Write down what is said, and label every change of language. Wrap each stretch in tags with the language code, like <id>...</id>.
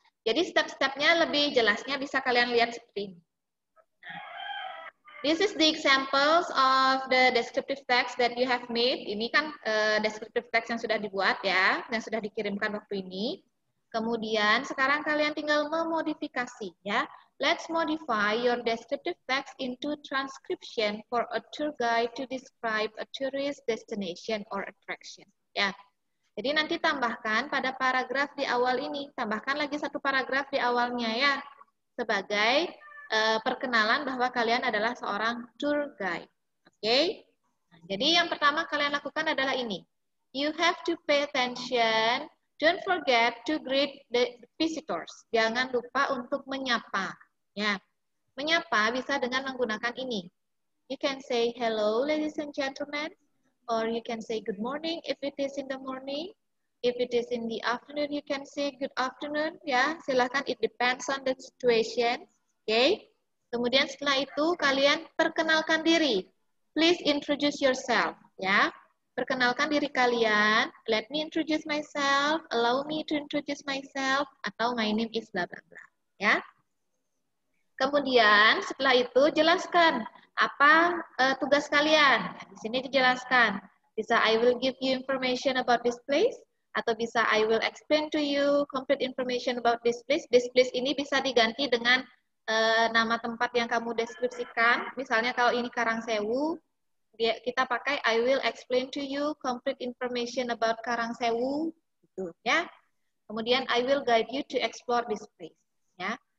<id>Jadi step-stepnya lebih jelasnya bisa kalian lihat seperti ini.</id> <en>This is the examples of the descriptive text that you have made.</en> <id>Ini kan descriptive text yang sudah dibuat ya, yang sudah dikirimkan waktu ini. Kemudian sekarang kalian tinggal memodifikasi ya.</id> <en>Let's modify your descriptive text into transcription for a tour guide to describe a tourist destination or attraction. Ya.</en> <id>Jadi nanti tambahkan pada paragraf di awal ini, tambahkan lagi satu paragraf di awalnya ya sebagai perkenalan bahwa kalian adalah seorang tour guide. Okay? Nah, jadi yang pertama kalian lakukan adalah ini.</id> <en>You have to pay attention. Don't forget to greet the visitors.</en> <id>Jangan lupa untuk menyapa. Ya. Menyapa bisa dengan menggunakan ini.</id> <en>You can say hello ladies and gentlemen. Or you can say good morning if it is in the morning. If it is in the afternoon, you can say good afternoon.</en> <id>Ya, silakan,</id> <en>it depends on the situation. Okay.</en> <id>Kemudian setelah itu kalian perkenalkan diri.</id> <en>Please introduce yourself. Ya.</en> <id>Perkenalkan diri kalian.</id> <en>Let me introduce myself. Allow me to introduce myself. Atau my name is blah blah blah. Ya.</en> <id>Kemudian setelah itu jelaskan apa tugas kalian. Di sini dijelaskan. Bisa</id> <en>I will give you information about this place.</en> <id>Atau bisa</id> <en>I will explain to you complete information about this place. This place</en> <id>ini bisa diganti dengan nama tempat yang kamu deskripsikan. Misalnya kalau ini Karang Sewu, kita pakai</id> <en>I will explain to you complete information about</en> <id>Karang Sewu, gitu, ya. Kemudian</id> <en>I will guide you to explore this place, ya.</en>